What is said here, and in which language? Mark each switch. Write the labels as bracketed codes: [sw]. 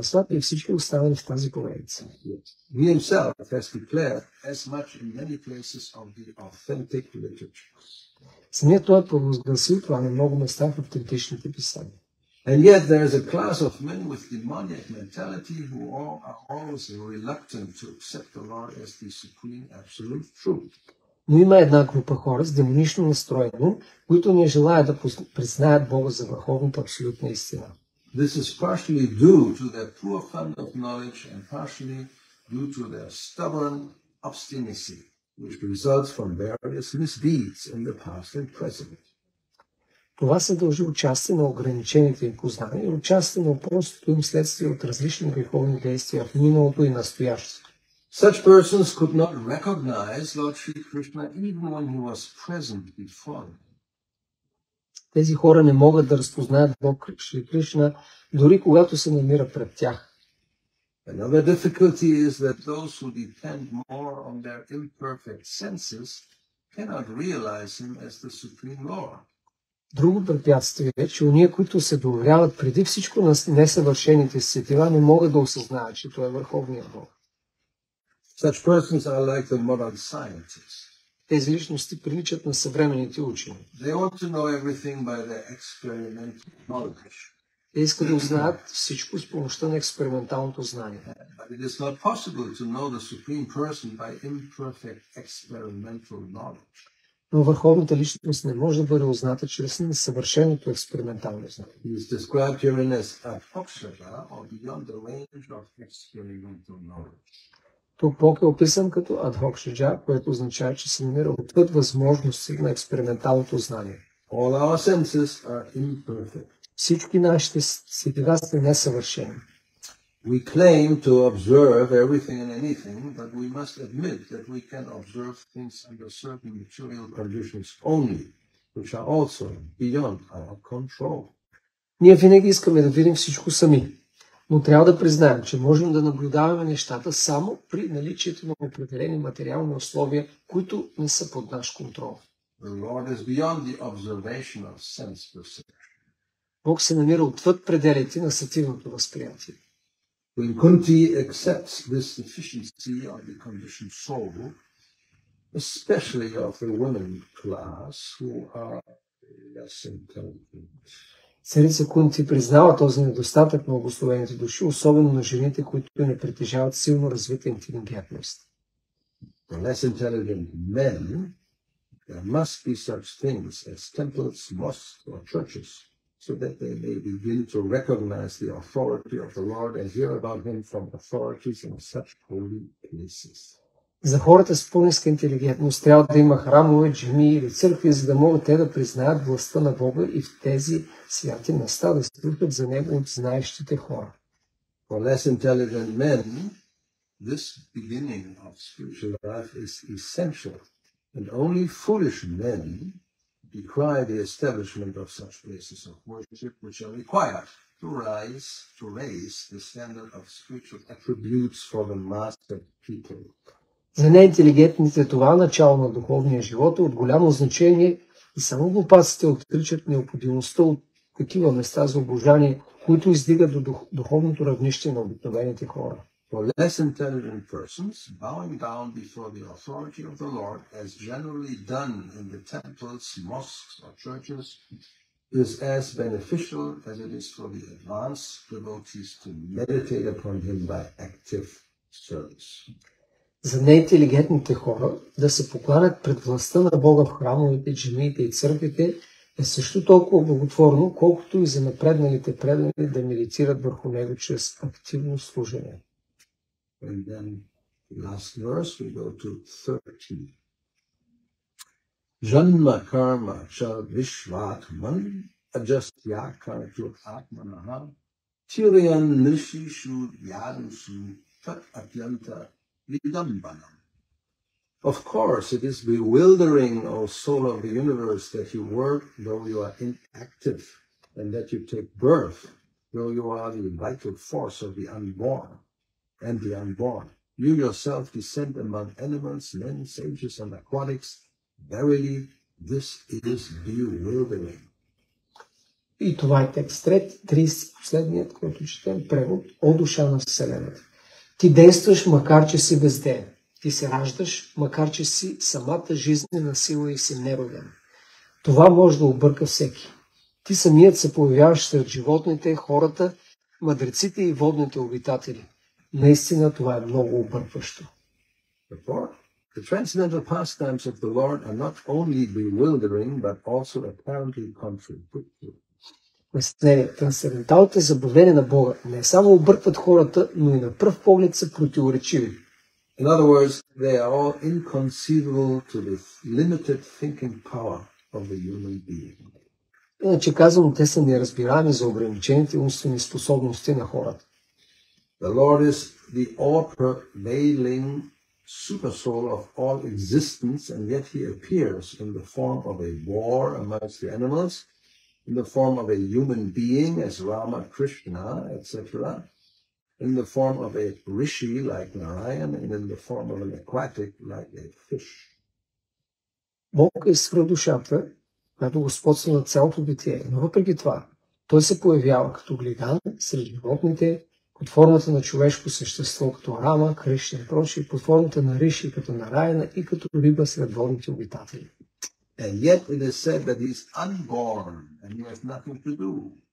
[bg] И всички останали в тази поредица. [en] He himself has declared as much in many places of the authentic literatures. [bg] Самият той е провозгласил това на много места в автентичните писания. [en] And yet there is a class of men with demoniac mentality who all are always reluctant to accept the Lord as the supreme absolute truth. [bg] Но има една група хора с демонично настроение, които не желаят да признаят Бога за върховната абсолютна истина. [en] This is partially due to their poor fund of knowledge and partially due to their stubborn obstinacy, which results from various misdeeds in the past and present. [bg] Това се дължи отчасти на ограничените им познания и отчасти на упорството им следствие от различни греховни действия в миналото и настоящето. [en] Such persons could not recognize Lord Sri Krishna even when he was present before them. [bg] Тези хора не могат да разпознаят Бог Шри Кришна, дори когато се намира пред тях. [en] Another difficulty is that those who depend more on their imperfect senses cannot realize him as the supreme Lord. [bg] Друго препятствие е, че ония, които се доверяват преди всичко на несъвършените сетива, не могат да осъзнаят, че той е върховният Бог. [en] Such persons are like the modern scientists. [bg] Тези личности приличат на съвременните учени. [en] They want to know everything by their experimental knowledge. [bg] Те искат да узнаят всичко с помощта на експерименталното знание. [en] But it is not possible to know the supreme person by imperfect experimental knowledge. [bg] Но върховната личност не може да бъде узната чрез несъвършеното експериментално знание. [en] He is described herein as a or beyond the range of experimental knowledge. [bg] Тук Бог е описан като адхокшиджа, което означава, че се намира отвъд възможности на експерименталното знание. [en] All our senses are imperfect. [bg] Всички нашите сетива са несъвършени. [en] We claim to observe everything and anything, but we must admit that we can observe things under certain material conditions only, which are also beyond our control. [bg] Ние винаги искаме да видим всичко сами, но трябва да признаем, че можем да наблюдаваме нещата само при наличието на определени материални условия, които не са под наш контрол. [en] The Lord is beyond the observation of sense perception. [bg] Бог се намира отвъд пределите на сетивното възприятие. [en] When Kunti accepts this deficiency of the conditioned soul, especially of the women class who are less intelligent. [bg] Царица Кунти признава този недостатък на благословените души, особено на жените, които не притежават силно развита интелигентност. [en] The less intelligent men, there must be such things as temples, mosques or churches, so that they may begin to recognize the authority of the Lord and hear about him from authorities in such holy places. [bg] За хората с по-ниска интелигентност трябва да има храмове, джами или църкви, за да могат те да признаят властта на Бога и в тези святи места да се слушат за него от знаещите хора. [en] For less intelligent men, this beginning of spiritual life is essential, and only foolish men decry the establishment of such places of worship which are required to raise the standard of spiritual attributes for the mastered people. [bg] За неинтелигентните това начало на духовния живот е от голямо значение и само глупаците отричат необходимостта от такива места за обожание, които издигат до духовното равнище на обикновените хора. [en] For less intelligent persons, bowing down before the authority of the Lord, as generally done in the temples, mosques or churches, is as beneficial as it is for the advanced devotees to meditate upon him by active service. [bg] За неинтелигентните хора да се покланят пред властта на Бога в храмовете, джамиите и църквите е също толкова благотворно, колкото и за напредналите предани да медитират върху него чрез активно служение. [en] And then, last verse, we go to 13. [sa] Janma karma cha vishvatman ajastya karju atmanaha tiryan nishishu yadusu tat atyanta vidambanam. [en] Of course, it is bewildering, O soul of the universe, that you work though you are inactive, and that you take birth though you are the vital force of the unborn. And the unborn, you yourself descend among animals, men, sages, and aquatics. Verily, this is bewildering. [bg] И това е текст 30, последният, който четем, превод, о душа на Вселената. Ти действаш, макар че си безден. Ти се раждаш, макар че си самата жизнена сила и си нероден. Това може да обърка всеки. Ти самият се появяваш сред животните, хората, мъдреците и водните обитатели. Наистина това е много объркващо. [en] Therefore, the transcendental pastimes of the Lord are not only bewildering, but also apparently contradictory. [bg] Трансценденталните забавления на Бога не само объркват хората, но и на пръв поглед са противоречиви. [en] In other words, they are all inconceivable to the limited thinking power of the human being. [bg] Иначе казано, те са неразбираеми за ограничените умствени способности на хората. [en] The Lord is the all-pervading supersoul of all existence, and yet he appears in the form of a boar amongst the animals, in the form of a human being as Rama, Krishna, etc., in the form of a rishi like Narayan, and in the form of an aquatic like a fish. [bg] Бог е свръхдушата, която господства на цялото битие, но въпреки това, той се появява като глиган сред животните, под формата на човешко същество, като Рама, Кришна и прочие, под формата на Риши, като Нараяна и като риба сред водните обитатели. [en] And yet it is said that he is unborn and he has nothing to do.